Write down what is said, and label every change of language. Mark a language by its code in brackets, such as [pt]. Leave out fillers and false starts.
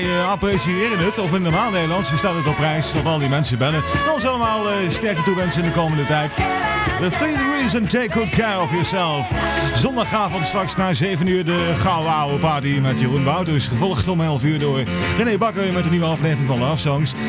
[nl] Appreciëren het, of in normaal Nederlands, we stellen het op prijs dat al die mensen bellen. En ons allemaal sterkte toewensen in de komende tijd. [en] The three reasons take good care of yourself. [nl] Zondagavond straks na 7 uur de gouden oude party met Jeroen Wouters. Gevolgd om 11 uur door René Bakker met een nieuwe aflevering van Love Songs.